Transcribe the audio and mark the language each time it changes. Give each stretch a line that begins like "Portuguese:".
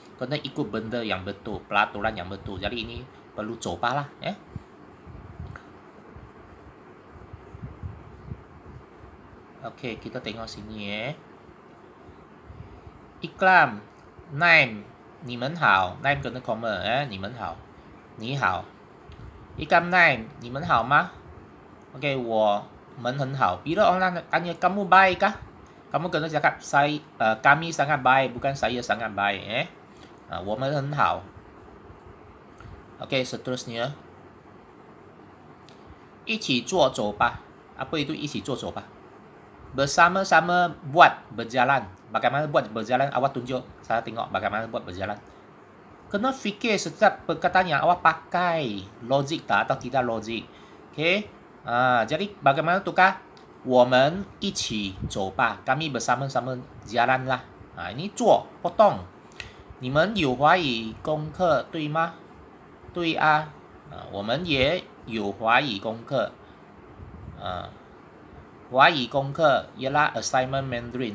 Malay: Kena ikut benda yang betul, peraturan yang betul. Jadi ini perlu coba lah. Okay, kita tengok sini ya. Iklam, Naim,
Chinese: 你们好.
Malay: Naim kena koma, 你们好.
Chinese: 你好. Iklam, Naim, 你们好吗? Okay, 我们很好.
Malay: Bila orang tanya, kamu baik kah? Kamu kena cakap, kami sangat baik, bukan saya sangat baik.
Chinese: 我们很好.Okay,
Malay: seterusnya.
Chinese: 一起坐走吧.
Malay: Apa itu
Chinese: 一起坐走吧?
Malay: Bersama-sama buat berjalan. Bagaimana buat berjalan? Awak tunjuk. Saya tengok bagaimana buat berjalan. Kena fikir setiap perkataan yang awak pakai. Logik tak atau tidak logik. Okay. Jadi bagaimana tukar?
Chinese: 我们一起走吧,
Malay: kami bersama-sama jalanlah. Ini
Chinese: 做, 不动.你们有华语功课对吗? 对啊, 我们也有华语功课. 华语功课,
Malay: ialah assignment Mandarin.